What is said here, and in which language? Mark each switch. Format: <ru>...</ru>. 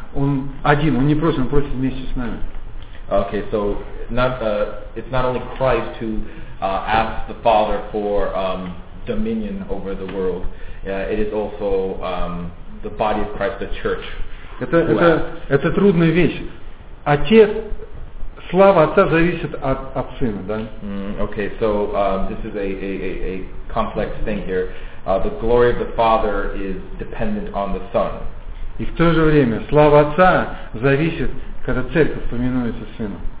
<ru>Он один, он не просит, он просит вместе с нами.</ru> <en>Okay, so it's not only Christ who asks the Father for dominion over the world. It is also the body of Christ, the church.</en> <ru>Это трудная вещь. Отец, слава Отца зависит от Сына, да?</ru> <en>Okay, so this is a complex thing here. The glory of the Father is dependent on the Son.</en> <ru>И в то же время слава Отца зависит, когда церковь поминуется Сыну.</ru>